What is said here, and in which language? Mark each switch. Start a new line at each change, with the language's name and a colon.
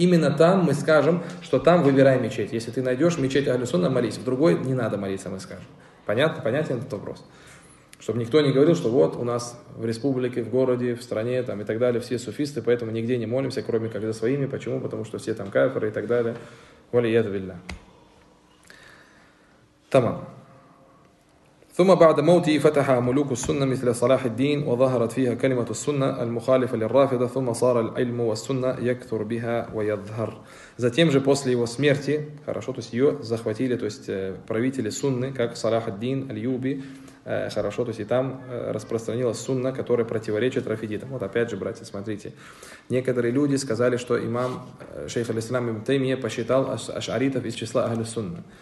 Russian: Именно там мы скажем, что там выбирай мечеть. Если ты найдешь мечеть Аль-Сунна, молись. В другой не надо молиться, мы скажем. Понятно? Понятен этот вопрос? Чтобы никто не говорил, что вот у нас в республике, в городе, в стране там, и так далее, все суфисты, поэтому нигде не молимся, кроме как за своими. Почему? Потому что все там кафиры и так далее. Валиад вилля.
Arabic: Тамам. ثم بعد موته فتح ملوك السنة مثل صلاح الدين وظهرت فيها كلمة السنة المخالفة للرافضة ثم صار العلم والسنة يكثر بها ويظهر.
Russian: Затем же после его смерти, хорошо, то есть ее захватили, то есть правители сунны, как صلاح الدين اليوبي, хорошо, то есть и там распространилась сунна, которая противоречит рафидитам. Вот опять же, братья, смотрите. Некоторые люди сказали, что имам шейх аль-Ислам ибн Таймия посчитал аш'аритов из числа аль-сунна.